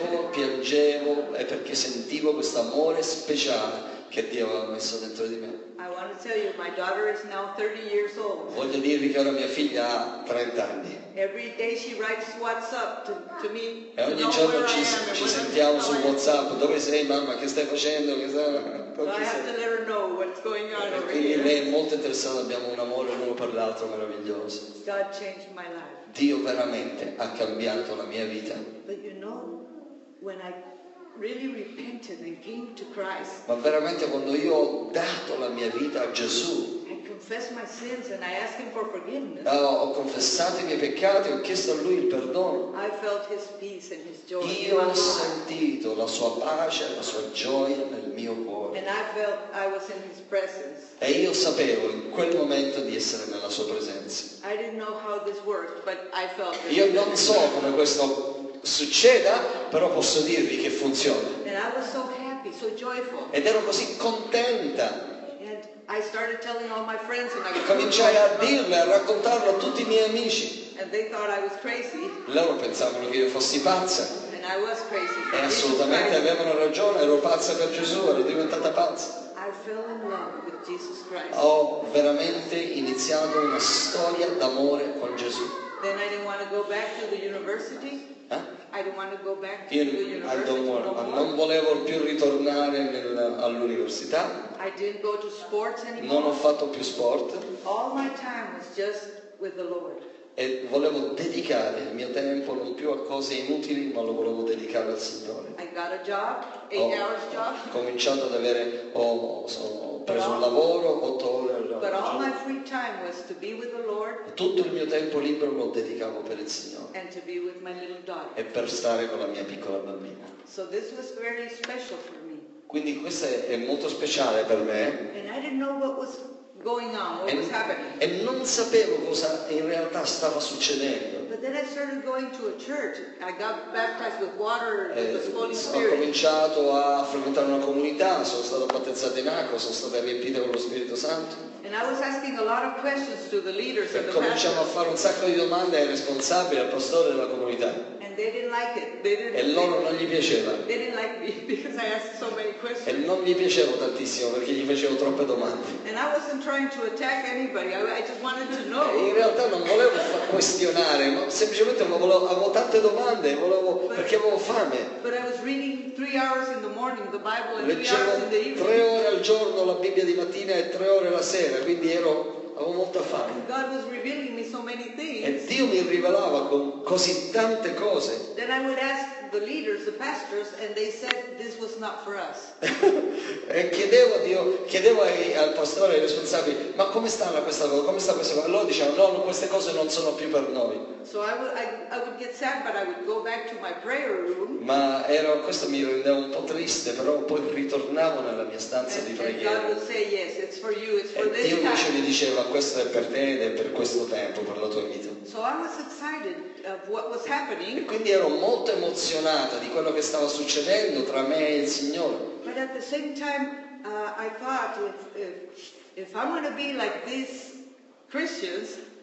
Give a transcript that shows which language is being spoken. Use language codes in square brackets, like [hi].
[it] Piangevo e perché sentivo questo amore speciale che Dio aveva messo dentro di me. [en] I want to tell you, my daughter is now 30 years old. [it] Voglio dirvi che ora mia figlia ha 30 anni. [en] Every day she writes WhatsApp to me. [it] E ogni giorno ci sentiamo su WhatsApp. Dove sei mamma? Che stai facendo? Che stai? [en] I have to let her know what's going on over here. [it] Quindi lei è molto interessata. Abbiamo un amore l'uno per l'altro meraviglioso. [en] God changed my life. [it] Dio veramente ha cambiato la mia vita. [en] But you know, when I really repented and came to Christ. [it] Ma veramente quando io ho dato la mia vita a Gesù. [en] I confessed my sins and I asked him for forgiveness. [it] Ho confessato i miei peccati, ho chiesto a lui il perdono. [en] I felt his peace and his joy. [it] Io ho sentito la sua pace e la sua gioia nel mio cuore. [en] And I felt I was in his presence. [it] E io sapevo in quel momento di essere nella sua presenza. [en] I didn't know how this worked, but I felt. [it] Io non so come questo succeda, però posso dirvi che funziona. [en] And I was so happy, so joyful. [it] Ed ero così contenta. [en] And I started telling all my friends and I [it] e cominciai a dirle, a raccontarlo a tutti i miei amici. [en] And they thought I was crazy. [it] Loro pensavano che io fossi pazza. [en] And I was crazy. [it] E assolutamente avevano ragione, ero pazza per Gesù, ero diventata pazza. [en] I fell in love with Jesus Christ. [it] Ho veramente iniziato una storia d'amore con Gesù. [en] Then I didn't want to go back to the university. Eh? I didn't want to go back to university. I don't want, [it] non volevo più ritornare all'università. [en] I didn't go to sports anymore. [it] Non ho fatto più sport. [en] All my time was just with the Lord. [it] E volevo dedicare il mio tempo non più a cose inutili, ma lo volevo dedicare al Signore. [en] I got a job, 8 hours job. [it] Ho cominciato ad avere preso un lavoro, 8 ore al giorno. [en] But all my free time was to be with the Lord. [it] Tutto il mio tempo libero lo dedicavo per il Signore. [en] And to be with my little daughter. [it] E per stare con la mia piccola bambina. [en] So this was very special for me. [it] Quindi questo è molto speciale per me. [en] And I didn't know what was going on, what was happening. [it] E non sapevo cosa in realtà stava succedendo. [en] But then I started going to a church. I got baptized with water with the Holy Spirit. [it] Ho cominciato a frequentare una comunità, sono stato battezzato in acqua, sono stato riempito con lo Spirito Santo. [en] And I was asking a lot of questions to the leaders and the [it] pastors. E cominciamo a fare un sacco di domande ai responsabili, al pastore della comunità. [en] And they didn't like it. They didn't, [it] e loro non gli piaceva. [en] They didn't like me because I asked so many questions. [it] E non gli piacevo tantissimo perché gli facevo troppe domande. [en] And I wasn't trying to attack anybody. I just wanted to know. [it] E in realtà non volevo questionare, ma semplicemente avevo tante domande, perché avevo fame. [en] But I was reading 3 hours in the morning the Bible and 3 hours in the evening. [it] 3 ore al giorno la Bibbia di mattina e 3 ore la sera. Quindi avevo molta fame. [en] God was revealing me so many things. [it] E Dio mi rivelava con così tante cose. [en] Then I would ask the leaders, the pastors, and they said this was not for us. [it] E chiedevo a Dio, chiedevo al pastore, ai responsabili, ma come sta questa cosa? Come sta questa cosa? E loro dicevano, no, queste cose non sono più per noi. [en] So I would get sad, but I would go back to my prayer room. [it] Ma questo mi rendeva un po' triste, però poi ritornavo nella mia stanza di preghiera. [en] And God would say, yes, it's for you, it's for this time. [it] E Dio invece mi diceva, questo è per te ed è per questo tempo, per la tua vita. [en] So I was excited of what was happening. [it] E quindi ero molto emozionata di quello che stava succedendo tra me e il Signore. [en] But at the same time, I thought, if I'm going to be like these Christians,